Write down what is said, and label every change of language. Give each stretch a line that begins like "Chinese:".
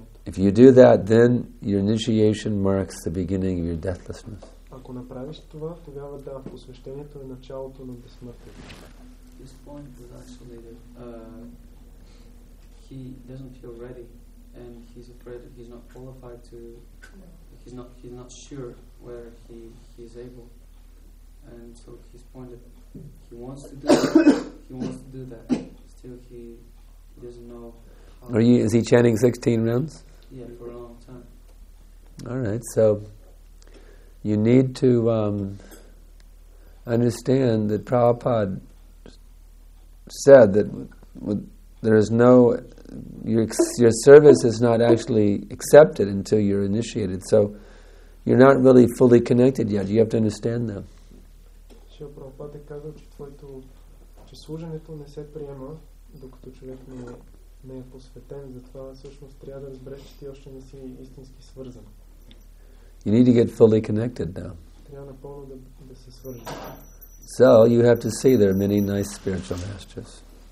English: If you do that, then your initiation marks the beginning of your deathlessness.
Bulgarian: Ако направиш това, тогава да, посвещението е началото на безсмъртието.
English: This point is actually that he doesn't feel ready and he's afraid that he's not qualified to. He's not sure whether he's able, and so he's pointed. He wants to do that. Still, he doesn't know. Is he chanting 16 rounds? Yeah, for a long time. All right. So you need to understand that Prabhupada said that there is no. Your service is not actually accepted until you're initiated. So you're not really fully connected yet. You have to understand that.
Bulgarian: Шрила Прабхупада каза, че служенето не се приема, докато човек не е посветен. Затова всъщност трябва да разбереш, че ти още не си истински свързан.
English: You need to get fully connected now.
Bulgarian: Трябва напълно да се свържиш.
English: So you have to see there are many nice spiritual masters.